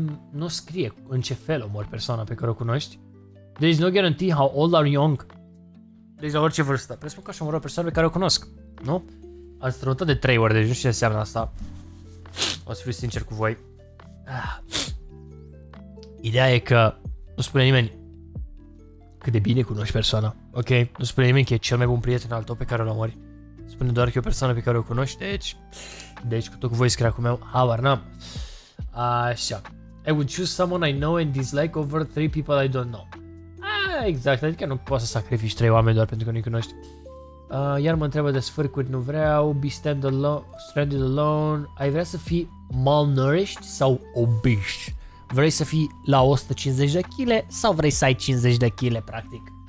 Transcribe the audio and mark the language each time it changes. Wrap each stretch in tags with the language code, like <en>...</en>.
<ro>Nu scrie în ce fel omori persoana pe care o cunoști.</ro> <en>There is no guarantee how old or young.</en> <ro>Deci la orice vârstă. Presupun că aș omori o persoană pe care o cunosc, nu? Am strănutat de 3 ori, deci nu știu ce înseamnă asta. O să fiu sincer cu voi. Ideea e că nu spune nimeni cât de bine cunoști persoana, ok? Nu spune nimeni că e cel mai bun prieten al tău pe care îl omori. Spune doar că e o persoană pe care o cunoști, deci cu tot cu voi scrie acum eu, habar n-am. Așa.</ro> <en>I would choose someone I know and dislike over 3 people I don't know.</en> <ro>Exact, adică nu poți să sacrifici 3 oameni doar pentru că nu-i cunoști. Iar mă întreabă de sfârcuri, nu vreau,</ro> <en>be stand alone, stranded alone.</en> <ro>Ai vrea să fii malnourished sau obese? Vrei să fii la 150 de kg sau vrei să ai 50 de kg, practic?</ro>